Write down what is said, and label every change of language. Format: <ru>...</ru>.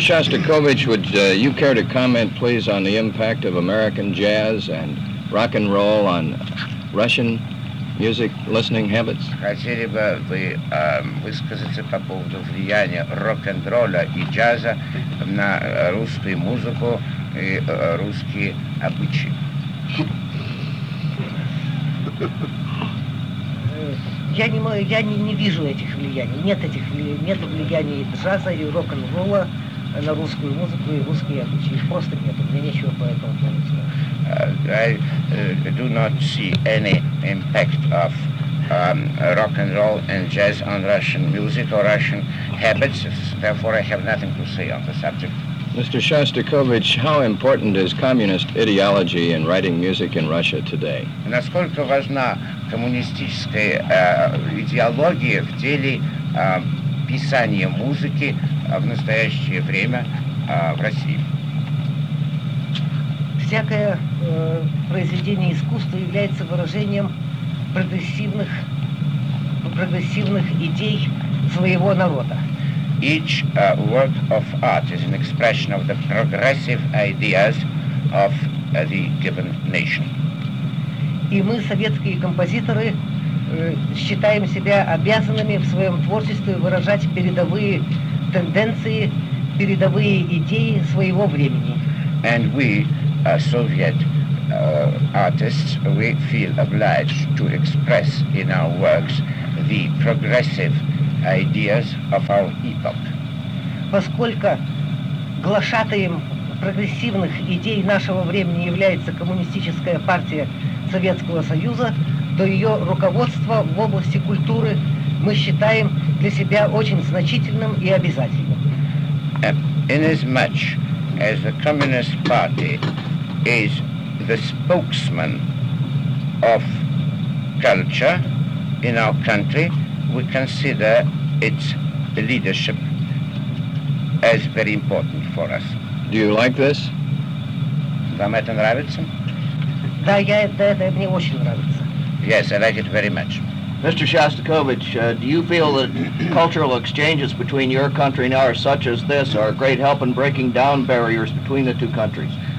<en>Shostakovich, would you care to comment, please, on the impact of American jazz and rock and roll on Russian music listening habits?</en> <ru>Хотели бы вы высказаться по поводу влияния рок-н-ролла и джаза на русскую музыку и русские обычаи? Я не вижу этих влияний. Нет влияний джаза и рок-н-ролла на русскую музыку и русские обычаи. Просто нет. У меня нечего по этому поводу сказать.</ru> <en>I do not see any impact of rock and roll and jazz on Russian music or Russian habits, therefore I have nothing to say on the subject. Mr. Shostakovich, how important is communist ideology in writing music in Russia today?</en> <ru>Насколько важна коммунистическая идеология в деле писания музыки в настоящее время в России? Всякое произведение искусства является выражением прогрессивных идей своего народа.</ru> <en>Each work of art is an expression of the progressive ideas of the given nation.</en> <ru>и мы, советские композиторы, считаем себя обязанными в своем творчестве выражать передовые тенденции, передовые идеи своего времени.</ru> <en>And we, Soviet artists, we feel obliged to express in our works the progressive ideas of our epoch.</en> <ru>Поскольку глашатаем прогрессивных идей нашего времени является Коммунистическая партия Советского Союза, то ее руководство в области культуры мы считаем для себя очень значительным и обязательным.</ru> <en>Inasmuch as the Communist Party is the spokesman of culture in our country, we consider its leadership as very important for us. Do you like this?</en> <ru>Вам это нравится? Да, это мне очень нравится.</ru> <en>Yes, I like it very much. Mr. Shostakovich, do you feel that cultural exchanges between your country and ours, such as this, are a great help in breaking down barriers between the two countries?</en>